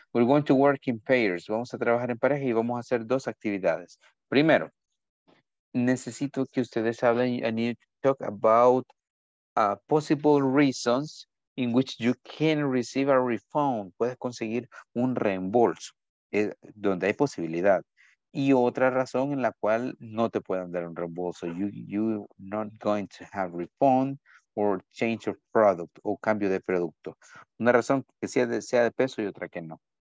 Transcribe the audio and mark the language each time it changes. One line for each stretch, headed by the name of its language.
English: We're going to work in pairs.
Spanish: Vamos a trabajar en pareja y vamos a hacer dos actividades. Primero, necesito que ustedes hablen
English: and you talk about possible reasons in which you can receive a refund.
Spanish: Puedes conseguir un reembolso donde hay posibilidad. Y otra razón en la cual no te pueden dar un reembolso.
English: You not going to have refund or change of product
Spanish: o cambio de producto. Una razón que sea de peso y otra que no.